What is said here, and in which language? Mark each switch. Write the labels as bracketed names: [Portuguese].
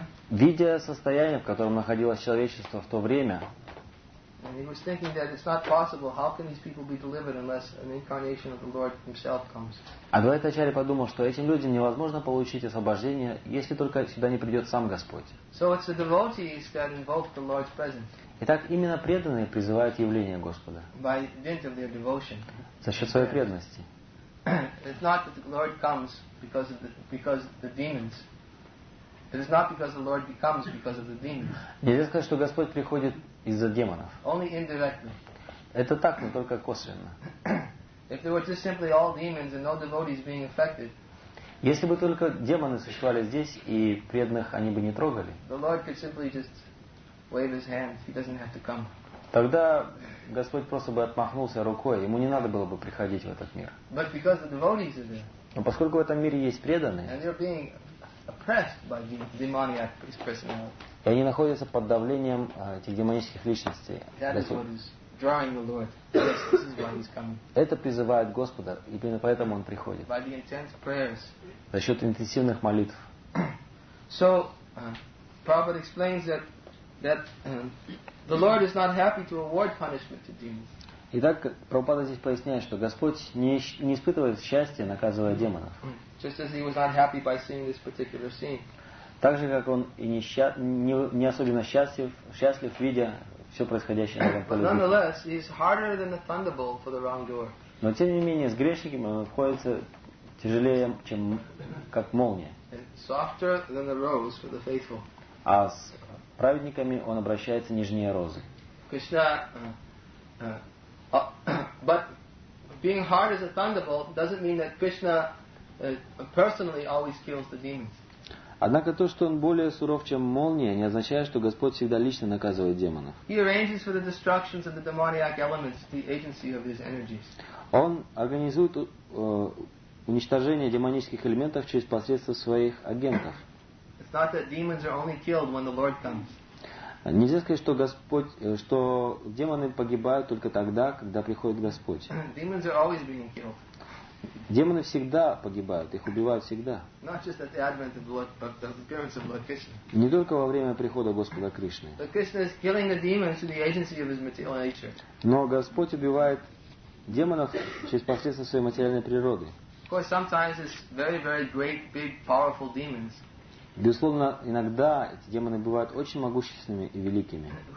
[Russian] Видя состояние, в котором находилось человечество в то время, [English] and he was thinking that it's not possible. How can these people be delivered unless an incarnation of the Lord Himself comes? [Russian] Адвайта Ачарья подумал, что этим людям невозможно получить освобождение, если только сюда не придет сам Господь. [English] So it's the devotees that invoke the Lord's presence. [Russian] Итак, именно преданные призывают явление Господа. [English] By dint of their devotion. [Russian] За счет своей преданности. [English] It's not that the Lord comes because of the demons. It is not because the Lord comes because of the demons. [Russian] Нельзя сказать, что Господь приходит из-за демонов. [English] Only indirectly. [Russian] Это так, но только косвенно. [English] If there were just simply all demons and no devotees being affected. [Russian] Если бы только демоны существовали здесь и преданных они бы не трогали. [English] The Lord could simply just wave his hand. He doesn't have to come. [Russian] Тогда Господь просто бы отмахнулся рукой, ему не надо было бы приходить в этот мир. [English] But because the devotees are there. [Russian] Но поскольку в этом мире есть преданные, [English] and they're being oppressed by the demoniac personality. [Russian] И они находятся под давлением этих демонических личностей. [English] That is what is drawing the Lord. Yes, this is why he's coming. [Russian] Это призывает Господа, и именно поэтому он приходит. [English] By the intense prayers. [Russian] За счет интенсивных молитв. [English] So, Prabhupada explains that the Lord is not happy to award punishment to demons. [Russian] Итак, Прабхупада здесь поясняет, что Господь не испытывает счастья, наказывая демонов. [English] Just as he was not happy by seeing this particular scene. [Russian] Так же, как он и не особенно счастлив, видя все происходящее на этом поле. [English] Nonetheless, he is harder than a thunderbolt for the wrongdoer. [Russian] Но тем не менее, с грешниками он обходится тяжелее, чем как молния. [English] Softer than the rose for the faithful. [Russian] А с праведниками он обращается нежнее розы. [English] Krishna, but being hard as a thunderbolt doesn't mean that Krishna personally always kills the demons. [Russian] Однако то, что он более суров, чем молния, не означает, что Господь всегда лично наказывает демонов. [English] He arranges for the destructions of the demoniac elements, the agency of his energies. [Russian] Он организует уничтожение демонических элементов через посредство своих агентов. [English] It's not that demons are only killed when the Lord comes. [Russian] Нельзя сказать, что Господь, что демоны погибают только тогда, когда приходит Господь. [English] Demons are always being killed. [Russian] Демоны всегда погибают, их убивают всегда. [English] Not just at the advent of Lord, but the appearance of Lord Krishna. [Russian] Не только во время прихода Господа Кришны. [English] But Krishna is killing the demons through the agency of his material nature. [Russian] Но Господь убивает демонов через посредство своей материальной природы. [English] Of course, sometimes it's very, very great, big, powerful demons. [Russian] Безусловно, иногда эти демоны бывают очень могущественными и великими.